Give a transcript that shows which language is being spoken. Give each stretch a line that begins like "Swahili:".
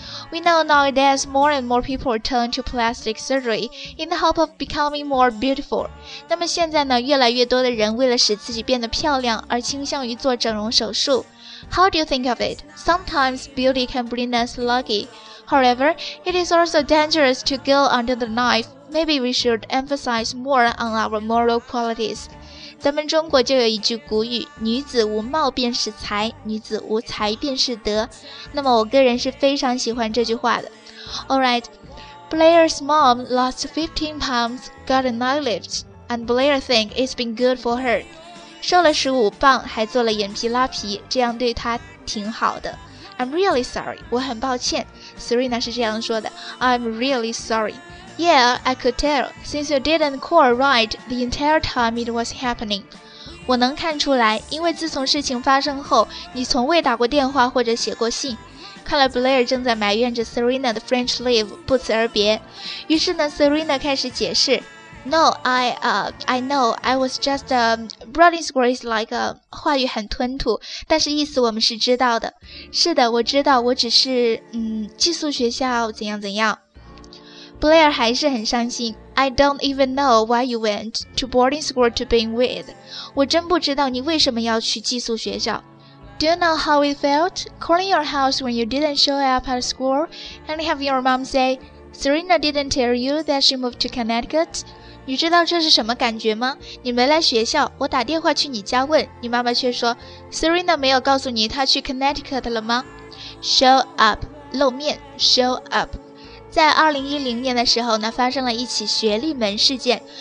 English: We know nowadays more and more people turn to plastic surgery in the hope of becoming more beautiful.
Chinese: 那么现在呢，越来越多的人为了使自己变得漂亮而倾向于做整容手术。
English: How do you think of it? Sometimes beauty can bring us lucky. However, it is also dangerous to go under the knife. Maybe we should emphasize more on our moral qualities.
Chinese: 咱们中国就有一句古语，女子无貌便是才，女子无才便是德。那么我个人是非常喜欢这句话的。
English: Alright, Blair's mom lost 15 pounds, got an eyelift, and Blair think it's been good for her.
Chinese: 瘦了15磅，还做了眼皮拉皮，这样对她挺好的。
English: I'm really sorry,
Chinese: 我很抱歉。Serena 是这样说的， I'm really sorry.
English: Yeah, I could tell, since you didn't call right the entire time it was happening.
Chinese: 我能看出来，因为自从事情发生后，你从未打过电话或者写过信。看来 Blair 正在埋怨着 Serena 的 French leave 不辞而别。于是呢， Serena 开始解释。
English: No, I know, I was just, Brody's words like,
Chinese: 话语很吞吐，但是意思我们是知道的。是的，我知道，我只是，寄宿学校怎样怎样。 Blair 还是很伤心。
English: I don't even know why you went to boarding school to begin with.
Chinese: 我真不知道你为什么要去寄宿学校。
English: Do you know how it felt? Calling your house when you didn't show up at school and have your mom say, Serena didn't tell you that she moved to Connecticut?
Chinese: 你知道这是什么感觉吗？你没来学校，我打电话去你家问，你妈妈却说 Serena 没有告诉你她去 Connecticut 了吗？
English: Show up， 露面， show up。
Chinese: 在2010年的时候呢，发生了一起学历门事件。